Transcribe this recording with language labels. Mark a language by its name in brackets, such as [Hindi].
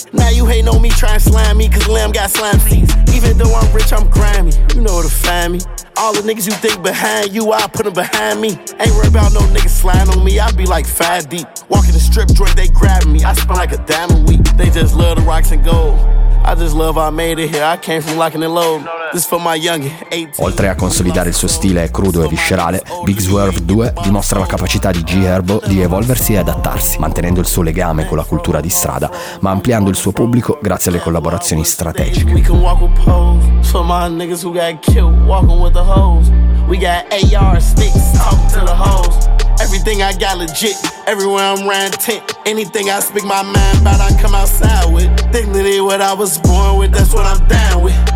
[English] Now you hate on me, try and slam me, cause Lamb got slime seeds. Even though I'm rich, I'm grimy. You know where to find me. All the niggas you think behind you, I put them behind me. Ain't worried about no niggas sliding on me, I be like five deep. Walking the strip joint, they grabbing me. I spend like a dime a week. They just love the rocks and gold. I just love I made it here, I came from locking it low. This for my youngin, 18. [Italian] Oltre a consolidare il suo stile crudo e viscerale, Big Swerve 2 dimostra la capacità di G Herbo di evolversi e adattarsi, mantenendo il suo legame con la cultura di strada, ma ampliando il suo pubblico grazie alle collaborazioni strategiche. [English] We can walk with poles for my niggas who got killed, walking with the hoes. We got AR sticks, talk to the hoes. Everything I got legit, everywhere I'm round 10. Anything I speak my mind about, I come outside with. Dignity what I was born with, that's what I'm down with.